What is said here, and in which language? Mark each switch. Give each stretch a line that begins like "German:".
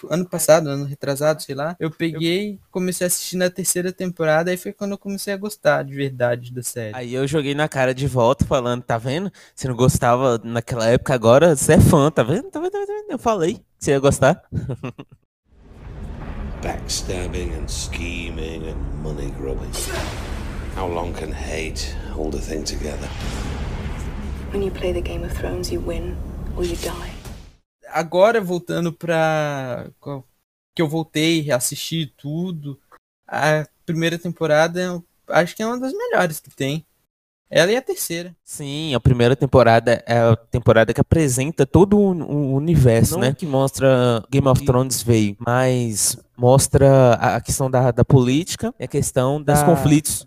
Portuguese: Ano passado, ano retrasado, sei lá, eu peguei e comecei a assistir na terceira temporada, aí foi quando eu comecei a gostar de verdade da série. Aí eu joguei na cara de volta falando, tá vendo? Você não gostava naquela época, agora você é fã, tá vendo? Tá vendo? Eu falei que você ia gostar.
English: Backstabbing and scheming and money grubbing. How long can hate hold a thing together? When you play the Game of Thrones, you win or you die.
Portuguese: Agora, voltando pra que eu voltei, assisti tudo, a primeira temporada, acho que é uma das melhores que tem. Ela e a terceira. Sim, a primeira temporada é a temporada que apresenta todo o universo, não, né? Que mostra Game of Thrones veio, mas mostra a questão da política e a questão dos conflitos.